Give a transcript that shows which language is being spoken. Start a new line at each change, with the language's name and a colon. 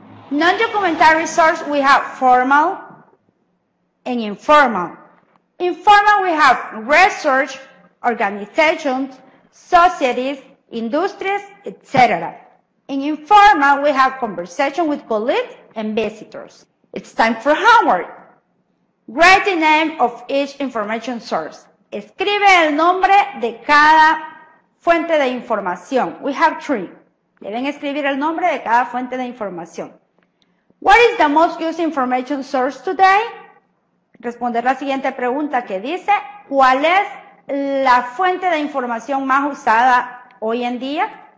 English: Non-documentary source, we have formal and informal. Informal, we have research, organizations, societies, industries, etc. In informal, we have conversation with colleagues and visitors. It's time for homework. Write the name of each information source.
Spanish: Escribe el nombre de cada fuente de información.
English: We have three.
Spanish: Deben escribir el nombre de cada fuente de información.
English: What is the most used information source today?
Spanish: Responder la siguiente pregunta que dice, ¿cuál es la fuente de información más usada hoy en día?